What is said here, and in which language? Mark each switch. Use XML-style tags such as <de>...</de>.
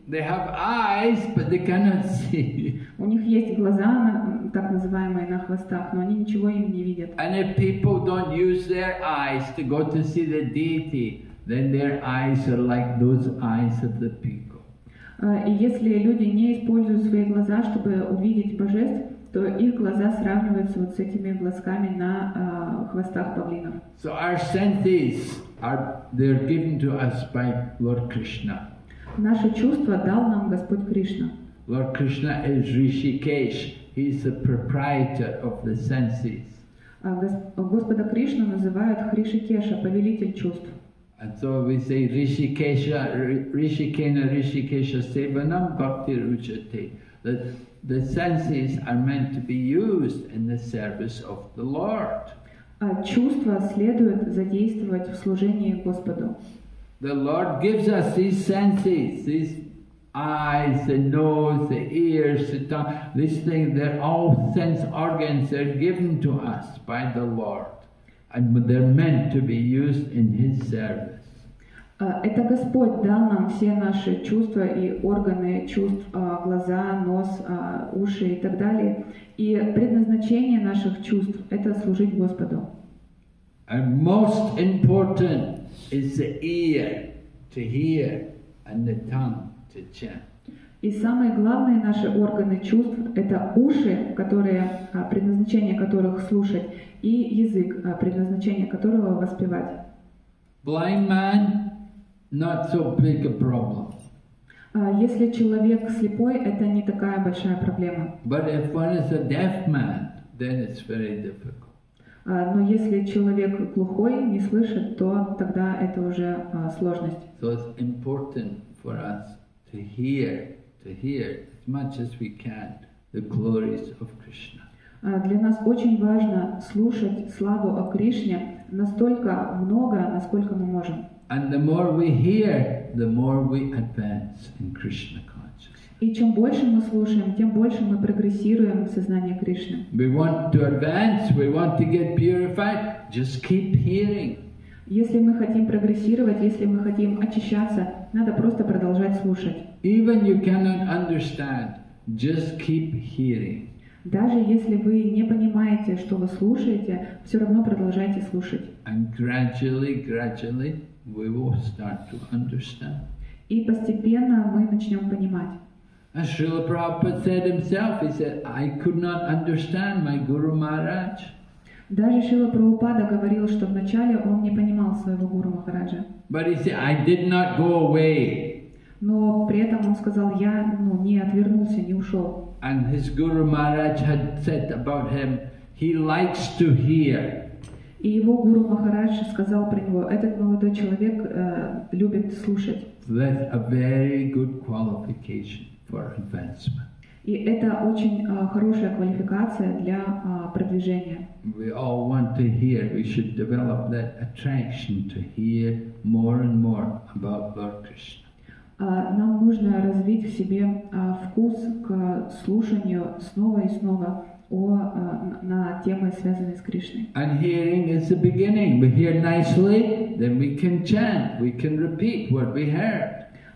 <en>They have eyes, but they cannot see.</en> <ru>У них есть глаза, так называемые, на хвостах, но они ничего им не видят.</ru> <en>And if people don't use their eyes to go to see the deity, then their eyes are like those eyes of the people.</en> <ru>И если люди не используют свои глаза, чтобы увидеть божеств, то их глаза сравниваются вот с этими глазками на хвостах павлинов.</ru> <en>So our senses are they're given to us by Lord Krishna.</en> <ru>Наши чувства дал нам Господь Кришна.</ru> <en>Lord Krishna is Rishikesh. He is the proprietor of the senses.</en> <ru>Господа Кришну называют Хришикеша, повелитель чувств.</ru> <en>And so we say</en> <sa>Rishikesha, Rishikena, Rishikesha, Sevanam, Bhakti, Ruchate.</sa> <en>The senses are meant to be used in the service of the Lord.</en> <ru>Чувства следует задействовать в служении Господу.</ru> <en>The Lord gives us these senses, these eyes, the nose, the ears, the tongue, this thing, they're all sense organs, they're given to us by the Lord. And they're meant to be used in His service.</en> <ru>Это Господь дал нам все наши чувства и органы чувств, глаза, нос, уши и так далее. И предназначение наших чувств — это служить Господу.</ru> <en>And most important is the ear to hear and the tongue to chant.</en> <ru>И самые главные наши органы чувств — это уши, которые предназначение которых слушать, и язык, предназначение которого воспевать.</ru> <en>Blind man, not so big a problem.</en> <ru>Если человек слепой, это не такая большая проблема.</ru> <en>But if one is a deaf man, then it's very difficult.</en> <ru>Но если человек глухой, не слышит, то тогда это уже сложность.</ru> <en>So it's important for us to hear. To hear as much as we can the glories of Krishna.</en> <ru>Для нас очень важно слушать славу о Кришне настолько много, насколько мы можем.</ru> <en>And the more we hear, the more we advance in Krishna consciousness.</en> <ru>И чем больше мы слушаем, тем больше мы прогрессируем в сознании Кришны.</ru> <en>We want to advance, we want to get purified, just keep hearing.</en> <ru>Если мы хотим прогрессировать, если мы хотим очищаться, надо просто продолжать слушать.</ru> <en>Even you cannot understand, just keep hearing.</en> <ru>Даже если вы не понимаете, что вы слушаете, все равно продолжайте слушать.</ru> <en>And gradually, gradually we will start to understand.</en> <ru>И постепенно мы начнем понимать.</ru> <en>As Srila Prabhupada said himself, he said, I could not understand my Guru Maharaj.</en> <ru>Даже Шрила Прабхупада говорил, что вначале он не понимал своего Гуру Махараджа.</ru> <en>But he said, I did not go away.</en> <ru>Но при этом он сказал, я не отвернулся, не ушел.</ru> <en>And his Guru Maharaj had said about him, he likes to hear.</en> <ru>И его Гуру Махарадж сказал про него, этот молодой человек любит слушать.</ru> <en>That's a very good qualification for advancement.</en> <ru>И это очень хорошая квалификация для продвижения.</ru> <en>We all want to hear. We should develop that attraction to hear more and more about Lord Krishna.</en> <ru>Нам нужно развить в себе вкус к слушанию снова и снова на темы, связанные с Кришной.</ru> <en>And hearing is the beginning. We hear nicely, then we can chant, we can repeat what we heard.</en>